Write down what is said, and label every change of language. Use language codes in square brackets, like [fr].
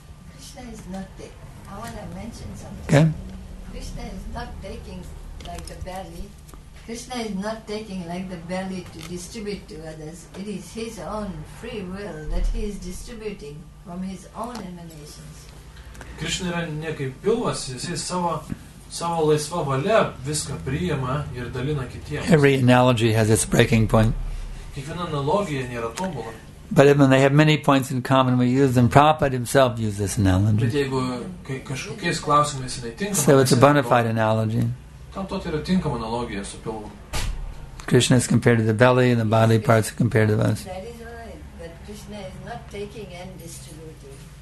[en] Krishna is not taking. I want to mention something. Okay. Krishna is not taking like the belly. Krishna is not taking like the belly to distribute to others. It is his own free will that he is distributing from his own emanations. [lt] Krishna yra ne kaip pilvas, jis savo laisva valia viską priima ir dalina kitiems. [en] Every analogy has its breaking point. [lt] Kiekviena analogija nėra tobula. [en] But when they have many points in common, we use them. Prabhupada himself used this analogy. So it's a bona fide analogy. Krishna is compared to the belly, and the bodily parts are compared to us. That is right, but Krishna is not taking and distributing.